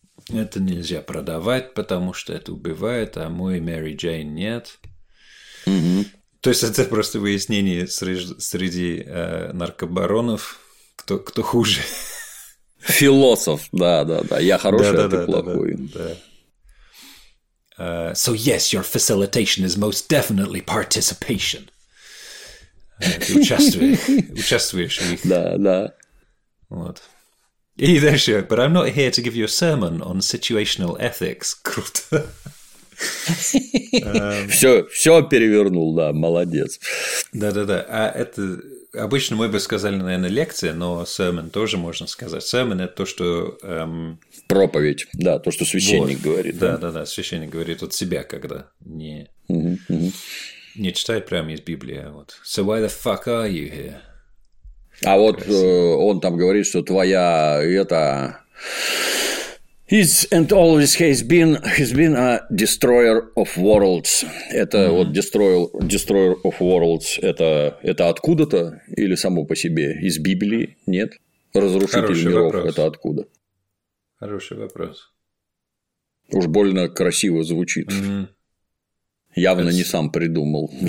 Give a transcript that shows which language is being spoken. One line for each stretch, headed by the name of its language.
Russian: Это нельзя продавать, потому что это убивает, а мой Мэри Джейн нет. То есть, это просто выяснение среди наркобаронов, кто хуже. Философ, да-да-да. Я хороший, да, а да, ты плохой. Да.
English: So, yes, your facilitation is most definitely participation.
Russian: Ты участвуешь в них. Да-да. Вот. И дальше,
English: but I'm not here to give you a sermon on situational ethics.
Russian: Круто. Все перевернул, да, молодец. Да-да-да. А это обычно мы бы сказали, наверное, лекция, но sermon тоже можно сказать. Sermon – это то, что… Проповедь, да, то, что священник говорит. Да-да-да, священник говорит от себя, когда не читает прямо из Библии, а вот.
English: So why the fuck are you here?
Russian: А вот он там говорит, что твоя это
English: It's and always has been a destroyer of worlds.
Russian: Это mm-hmm. вот
English: destroyer of worlds.
Russian: Это откуда-то или само по себе? Из Библии? Нет? Разрушитель Хороший миров вопрос. Это откуда? Хороший вопрос. Уж больно красиво звучит. Mm-hmm. Явно не сам придумал.